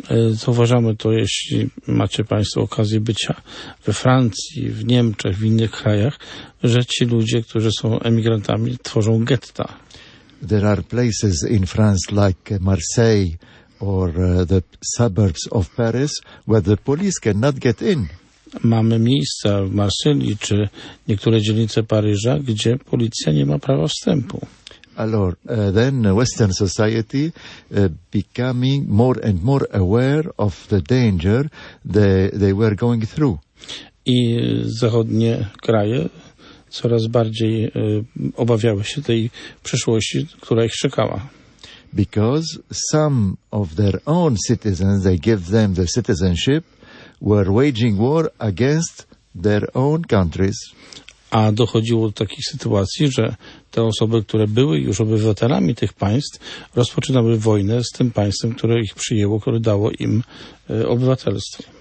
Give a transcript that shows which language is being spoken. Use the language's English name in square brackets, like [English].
[Polish] Zauważamy to, jeśli macie Państwo okazję bycia we Francji, w Niemczech, w innych krajach, że ci ludzie, którzy są emigrantami, tworzą getta. [English] There are places in France like Marseille or the suburbs of Paris where the police cannot get in. [Polish] Mamy miejsca w Marsylii czy niektóre dzielnice Paryża, gdzie policja nie ma prawa wstępu. [English] Alors, then Western society becoming more and more aware of the danger they were going through. [Polish] I zachodnie kraje coraz bardziej obawiały się tej przyszłości, która ich czekała. [English] Because some of their own citizens, they give them the citizenship, were waging war against their own countries. [Polish] A dochodziło do takich sytuacji, że te osoby, które były już obywatelami tych państw, rozpoczynały wojnę z tym państwem, które ich przyjęło, które dało im obywatelstwo.